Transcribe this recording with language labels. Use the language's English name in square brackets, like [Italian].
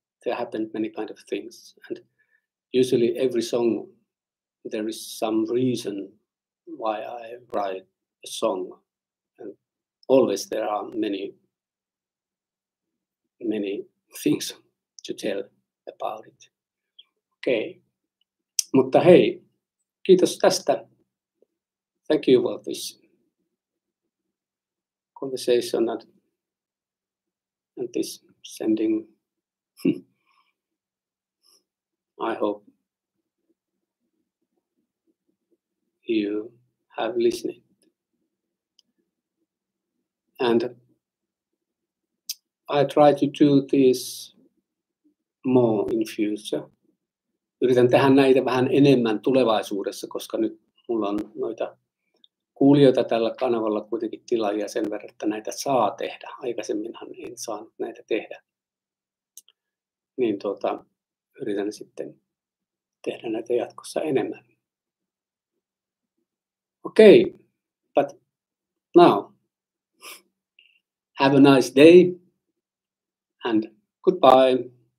[English] There happened many kind of things, and usually every song, there is some reason why I write a song, and always there are many things to tell about it. [Finnish] Okay, mutta hei, kiitos tästä. [English] Thank you for this conversation and this sending. I hope you have listened. And I try to do this more in future. [Finnish] Yritän tehdä näitä vähän enemmän tulevaisuudessa, koska nyt mulla on noita kuulijoita tällä kanavalla kuitenkin tilaajia sen verran, että näitä saa tehdä. Aikaisemminhan en saanut näitä tehdä. Niin yritän sitten tehdä näitä jatkossa enemmän. [English] Okay, but now, have a nice day and goodbye.